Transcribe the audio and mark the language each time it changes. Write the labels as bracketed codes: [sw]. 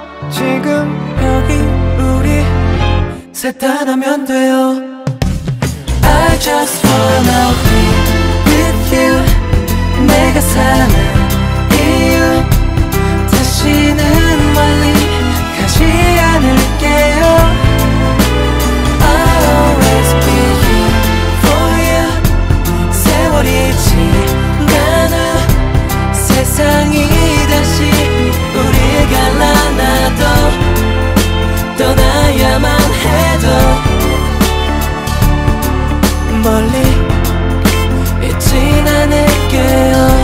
[ko] 지금 여기 우리 셋 다 나면 돼요. [en] I just wanna be with you. [ko] 내가 사는 이유 다시는 멀리 가지 않을게요. [en] I'll always be here for you. [ko] 세월이 지난 후 세상이 다시 우릴 갈라놔도 떠나야만 해도 멀리 잊진 않을게요.